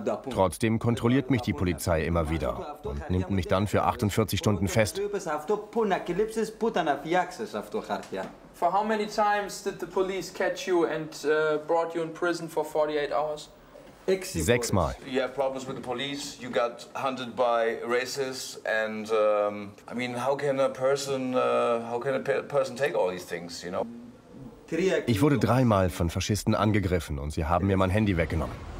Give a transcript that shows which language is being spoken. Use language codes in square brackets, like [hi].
[de] Trotzdem kontrolliert mich die Polizei immer wieder und nimmt mich dann für 48 Stunden fest. [en] For how many times did the police catch you and brought you in prison for 48 hours? [de] 6 Mal. [en] You have problems with the police. You got hunted by racists, and I mean, how can a person take all these things, you know? [de] Ich wurde 3 Mal von Faschisten angegriffen und sie haben mir mein Handy weggenommen.